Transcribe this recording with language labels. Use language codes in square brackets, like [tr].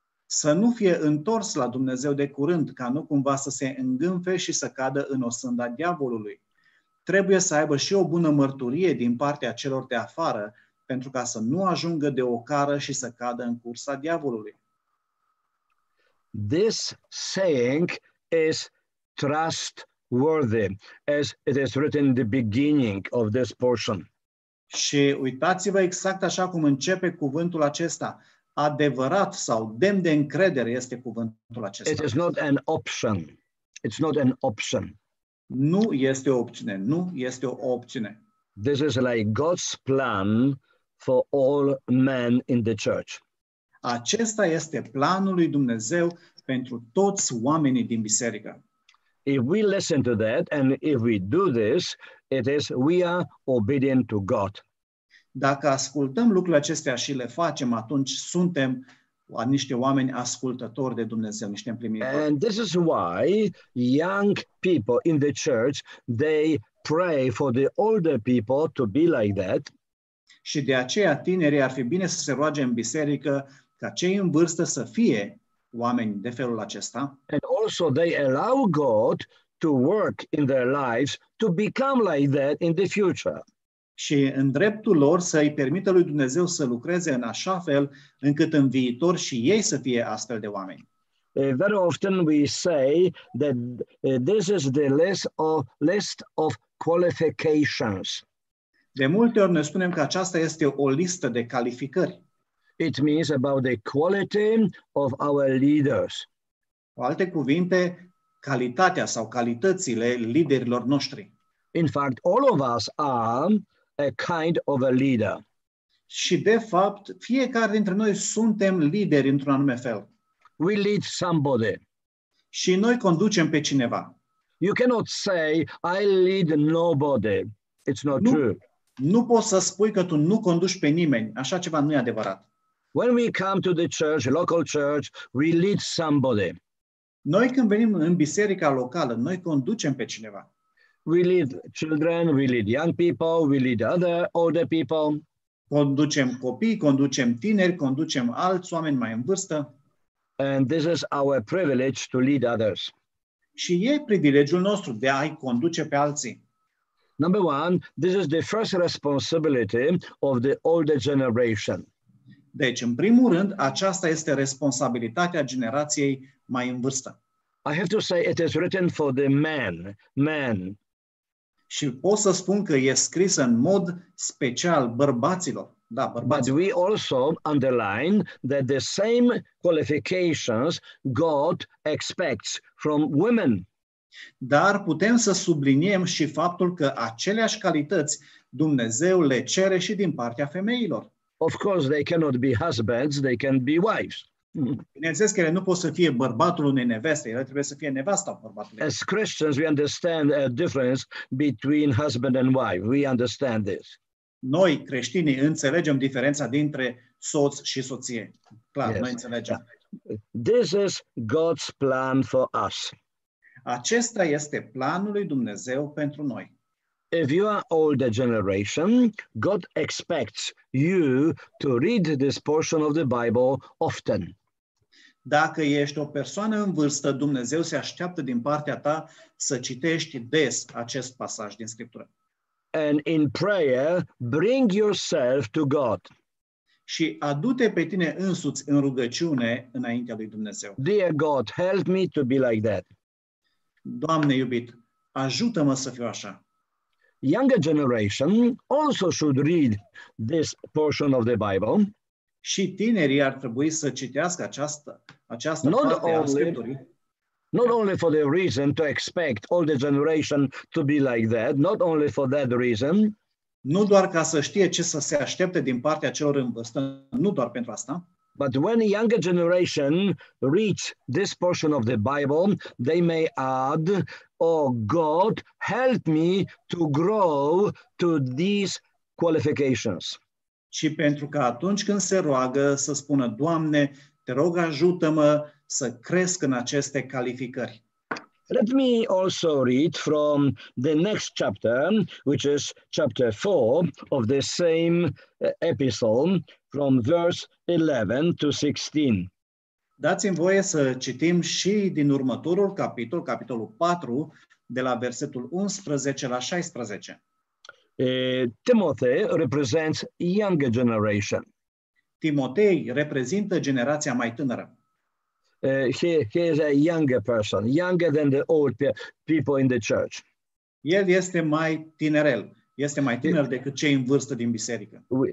[ro] Să nu fie întors la Dumnezeu de curând, ca nu cumva să se îngânfe și să cadă în osânda diavolului. Trebuie să aibă și o bună mărturie din partea celor de afară, pentru ca să nu ajungă de ocară și să cadă în cursa diavolului. [en] This saying is trustworthy, as it is written in the beginning of this portion. [ro] Și uitați-vă exact așa cum începe cuvântul acesta. Adevărat sau demn de încredere este cuvântul acesta. [en] It is not an option. It's not an option. [ro] Nu este o opțiune. Nu este o opțiune. [en] This is like God's plan for all men in the church. [ro] Acesta este planul lui Dumnezeu pentru toți oamenii din biserică. [en] If we listen to that and if we do this, it is we are obedient to God. [ro] Dacă ascultăm lucrurile acestea și le facem, atunci suntem niște oameni ascultători de Dumnezeu, niște împlinitori. [en] And this is why young people in the church, they pray for the older people to be like that. [ro] Și de aceea tinerii ar fi bine să se roage în biserică ca cei în vârstă să fie oameni de felul acesta. [en] And also they allow God to work in their lives to become like that in the future. [ro] Și în dreptul lor să îi permită lui Dumnezeu să lucreze în așa fel încât în viitor și ei să fie astfel de oameni. [en] Very often we say that this is the list of qualifications. [ro] De multe ori ne spunem că aceasta este o listă de calificări. [en] It means about the quality of our leaders. [ro] Cu alte cuvinte, calitatea sau calitățile liderilor noștri. [en] In fact, all of us are a kind of a leader. [ro] Și de fapt, fiecare dintre noi suntem lideri într-un anume fel. [en] We lead somebody. [ro] Și noi conducem pe cineva. [en] You cannot say I lead nobody. It's not [ro] nu, [en] true. [ro] Nu poți să spui că tu nu conduci pe nimeni. Așa ceva nu e adevărat. [en] When we come to the church, local church, we lead somebody. [ro] Noi când venim în biserica locală, noi conducem pe cineva. [en] We lead children, we lead young people, we lead other older people. [ro] Conducem copii, conducem tineri, conducem alți oameni mai în vârstă. [en] And this is our privilege to lead others. [ro] Și e privilegiul nostru de a-i conduce pe alții. [en] Number one, this is the first responsibility of the older generation. [ro] Deci, în primul rând, aceasta este responsabilitatea generației mai în vârstă. [en] I have to say it is written for the man. [ro] Și pot să spun că e scris în mod special bărbaților. Da, bărbaților. [en] But we also underline that the same qualifications God expects from women. [ro] Dar putem să subliniem și faptul că aceleași calități Dumnezeu le cere și din partea femeilor. [en] Of course they cannot be husbands, they can be wives. [ro] Bineînțeles că ele nu pot să fie bărbatul unei neveste, ele trebuie să fie nevasta bărbatului. [en] As Christians we understand a difference between husband and wife. We understand this. [ro] Noi creștinii înțelegem diferența dintre soț și soție. Clar, [en] yes. [ro] Noi înțelegem. [en] This is God's plan for us. [ro] Acesta este planul lui Dumnezeu pentru noi. [en] If you are older generation, God expects you to read this portion of the Bible often. [ro] Dacă ești o persoană în vârstă, Dumnezeu se așteaptă din partea ta să citești des acest pasaj din Scriptură. [en] And in prayer, bring yourself to God. [ro] Și adu-te pe tine însuți în rugăciune înaintea lui Dumnezeu. [en] Dear God, help me to be like that. [ro] Doamne iubit, ajută-mă să fiu așa. [en] Younger generation also should read this portion of the Bible. [ro] Și tinerii ar trebui să citească această [en] not [ro] parte [en] only, [ro] a Scripturii. [en] Not only for the reason to expect all the generation to be like that, not only for that reason. [ro] Nu doar ca să știe ce să se aștepte din partea celor în vârstă, nu doar pentru asta. [en] But when a younger generation reads this portion of the Bible, they may add, oh God, help me to grow to these qualifications. [ro] Și pentru că atunci când se roagă să spună, Doamne, te rog ajută-mă să cresc în aceste calificări. [en] Let me also read from the next chapter, which is chapter 4 of the same epistle, from verse 11 to 16. [ro] Dați-mi voie să citim și din următorul capitol, capitolul 4, de la versetul 11 la 16. [en] Timothy represents younger generation. [ro] Timotei reprezintă generația mai tânără. [en] He is a younger person, younger than the old people in the church. [ro] El este mai tinerel. Este mai tânăr decât cei în vârstă din biserică.